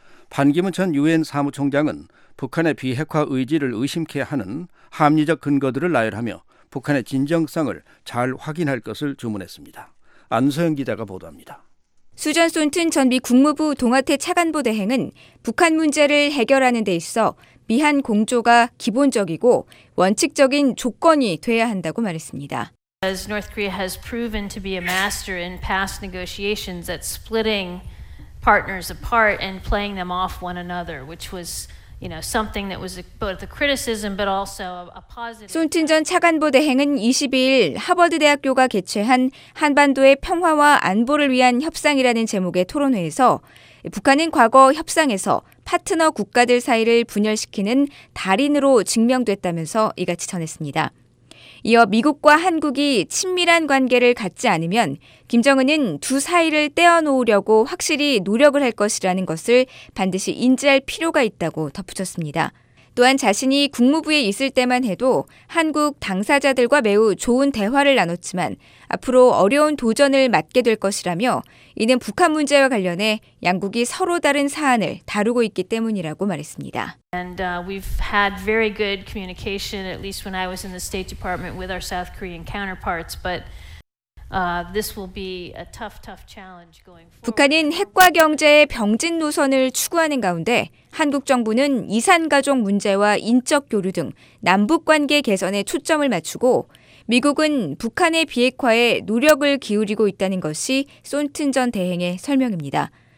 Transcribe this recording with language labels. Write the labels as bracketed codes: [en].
[ko] 반기문 전 유엔 사무총장은 북한의 비핵화 의지를 의심케 하는 합리적 근거들을 나열하며 북한의 진정성을 잘 확인할 것을 주문했습니다. 안소영 기자가 보도합니다. 수전 쏜튼 전 미 국무부 동아태 차관보 대행은 북한 문제를 해결하는 데 있어 미한 공조가 기본적이고 원칙적인 조건이 돼야 한다고 말했습니다. [en] As North Korea has proven to be a master in past negotiations at splitting partners apart and playing them off one another, which was something that was both a criticism but also a positive. [ko] 쏜튼 전 차관보 대행은 22일 하버드대학교가 개최한 한반도의 평화와 안보를 위한 협상이라는 제목의 토론회에서 북한은 과거 협상에서 파트너 국가들 사이를 분열시키는 달인으로 증명됐다면서 이같이 전했습니다. 이어 미국과 한국이 친밀한 관계를 갖지 않으면 김정은은 두 사이를 떼어놓으려고 확실히 노력을 할 것이라는 것을 반드시 인지할 필요가 있다고 덧붙였습니다. 또한 자신이 국무부에 있을 때만 해도 한국 당사자들과 매우 좋은 대화를 나눴지만 앞으로 어려운 도전을 맞게 될 것이라며 이는 북한 문제와 관련해 양국이 서로 다른 사안을 다루고 있기 때문이라고 말했습니다. [en] And we've had very good communication at least when I was in the State Department with our South Korean counterparts but this will be a tough challenge going forward. [ko] 북한은 핵과 경제의 병진 노선을 추구하는 가운데 한국 정부는 이산가족 문제와 인적 교류 등 남북 관계 개선에 초점을 맞추고 미국은 북한의 비핵화에 노력을 기울이고 있다는 것이 쏜튼 전 대행의 설명입니다.